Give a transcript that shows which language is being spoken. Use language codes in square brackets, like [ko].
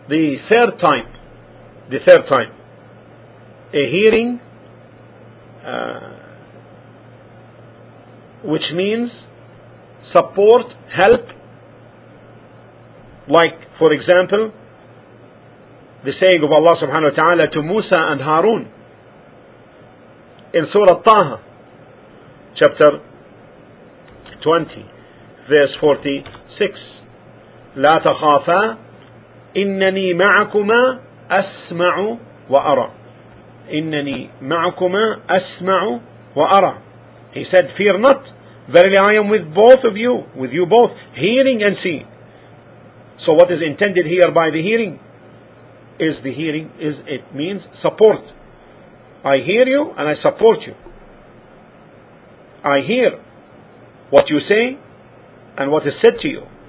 [en] The third time, a hearing, which means support, help, like, for example, the saying of Allah subhanahu wa ta'ala to Musa and Harun in Surah Taha, chapter 20, verse 46. [ar] لا تخافا إنني معكما أسمع وأرى. إنني معكما أسمع وأرى. [en] He said, fear not, verily I am with both of you, with you both, hearing and seeing. So what is intended here by the hearing? It means support. I hear you and I support you. I hear what you say and what is said to you.